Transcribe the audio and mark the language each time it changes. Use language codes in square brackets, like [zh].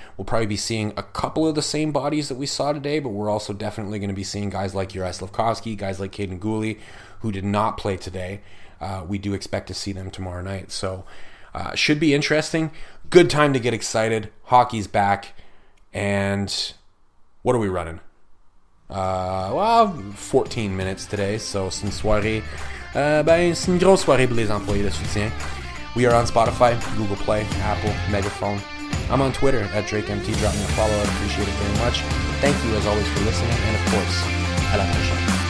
[en] We'll probably be seeing a couple of the same bodies that we saw today, but we're also definitely going to be seeing guys like Juraj Slafkovský, guys like Caden Gooley, who did not play today. We do expect to see them tomorrow night. So should be interesting. Good time to get excited. Hockey's back. And what are we running? 14 minutes today, so [fr] c'est une soirée. C'est une grosse soirée pour les employés de soutien. [en] We are on Spotify, Google Play, Apple, Megaphone. I'm on Twitter at DrakeMT. Drop me a follow. I appreciate it very much. Thank you, as always, for listening. And, of course, [fr] à la prochaine.